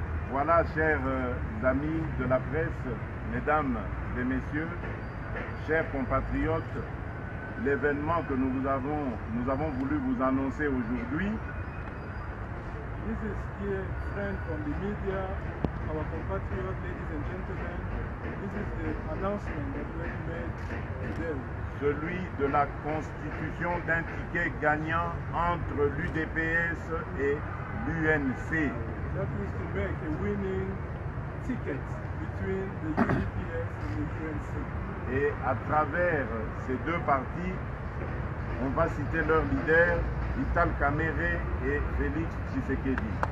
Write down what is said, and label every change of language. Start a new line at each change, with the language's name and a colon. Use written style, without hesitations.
French: Voilà, chers amis de la presse, mesdames et messieurs, chers compatriotes, l'événement que nous avons voulu vous annoncer aujourd'hui.
English: This is dear friend from the media, our compatriots, ladies and gentlemen. This is the announcement that we made today.
French: Celui de la constitution d'un ticket gagnant entre l'UDPS et l'UNC.
English: that is to make a winning ticket between the UDPS and the UNC.
French: Et à travers ces deux partis, on va citer leurs leaders, Vital Kamerhe et Félix Tshisekedi.